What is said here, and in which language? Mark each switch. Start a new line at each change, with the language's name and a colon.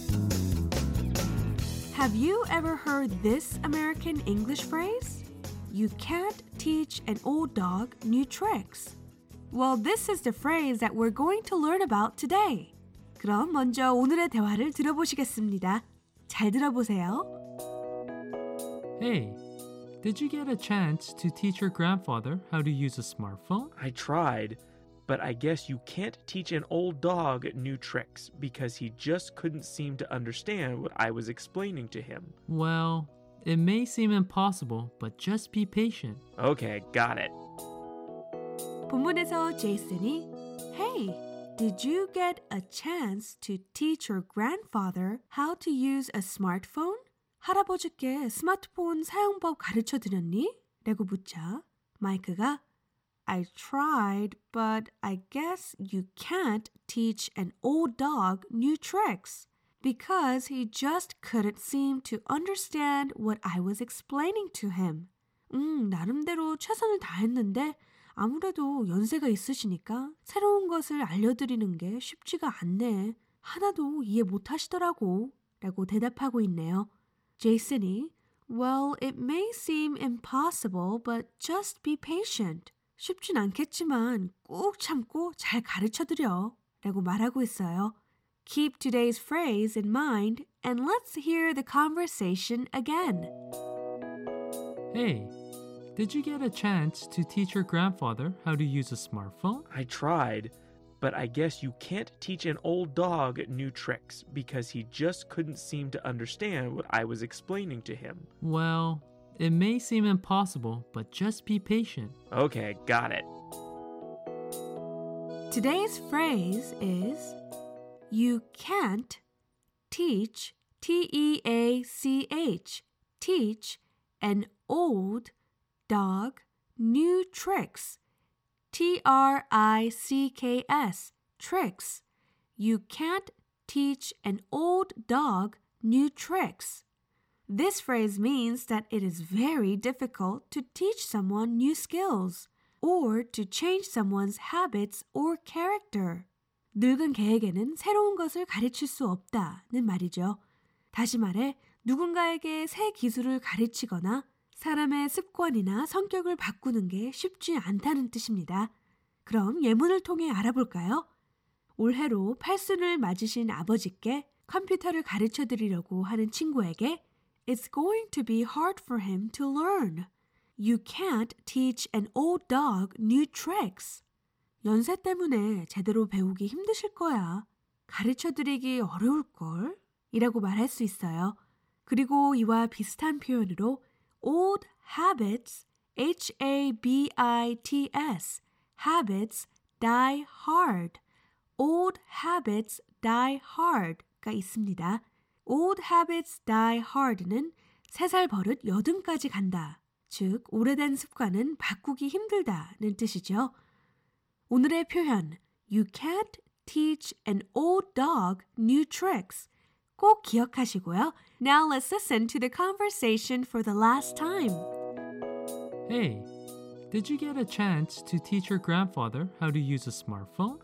Korean: 입니다.
English: Have you ever heard this American English phrase? You can't teach an old dog new tricks. Well, this is the phrase that we're going to learn about today.
Korean: 그럼 먼저 오늘의 대화를 들어보시겠습니다. 잘 들어보세요.
English: Hey, did you get a chance to teach your grandfather how to use a smartphone? I tried, but I guess you can't teach an old dog new tricks because he just couldn't seem to understand what I was explaining to him. Well... It may seem impossible, but just be patient. Okay, got it.
Korean: 본문에서 제이슨이
English: Hey, did you get a chance to teach your grandfather how to use a smartphone?
Korean: 할아버지께 스마트폰 사용법 가르쳐 드렸니? 라고 묻자 마이크가
English: I tried, but I guess you can't teach an old dog new tricks. Because he just couldn't seem to understand what I was explaining to him.
Korean: 나름대로 최선을 다했는데 아무래도 연세가 있으시니까 새로운 것을 알려드리는 게 쉽지가 않네. 하나도 이해 못하시더라고. 라고 대답하고 있네요. 제이슨이
English: Well, it may seem impossible, but just be patient.
Korean: 쉽진 않겠지만 꼭 참고 잘 가르쳐드려. 라고 말하고 있어요.
English: Keep today's phrase in mind, and let's hear the conversation again. Hey, did you get a chance to teach your grandfather how to use a smartphone? I tried, but I guess you can't teach an old dog new tricks because he just couldn't seem to understand what I was explaining to him. Well, it may seem impossible, but just be patient. Okay, got it. Today's phrase is... You can't teach, T-E-A-C-H, teach an old dog new tricks, T-R-I-C-K-S, tricks. You can't teach an old dog new tricks. This phrase means that it is very difficult to teach someone new skills or to change someone's habits or character.
Korean: 늙은 개에게는 새로운 것을 가르칠 수 없다는 말이죠. 다시 말해, 누군가에게 새 기술을 가르치거나 사람의 습관이나 성격을 바꾸는 게 쉽지 않다는 뜻입니다. 그럼 예문을 통해 알아볼까요? 올해로 팔순을 맞으신 아버지께 컴퓨터를 가르쳐 드리려고 하는 친구에게
English: It's going to be hard for him to learn. You can't teach an old dog new tricks.
Korean: 연세 때문에 제대로 배우기 힘드실 거야. 가르쳐드리기 어려울걸? 이라고 말할 수 있어요. 그리고 이와 비슷한 표현으로
English: old habits, H-A-B-I-T-S, habits die hard. old habits die hard
Korean: 가 있습니다.
English: old habits die hard
Korean: 는 3살 버릇 8등까지 간다. 즉, 오래된 습관은 바꾸기 힘들다는 뜻이죠. 오늘의 표현,
English: You can't teach an old dog new tricks.
Korean: 꼭 기억하시고요.
English: Now let's listen to the conversation for the last time. Hey, did you get a chance to teach your grandfather how to use a smartphone?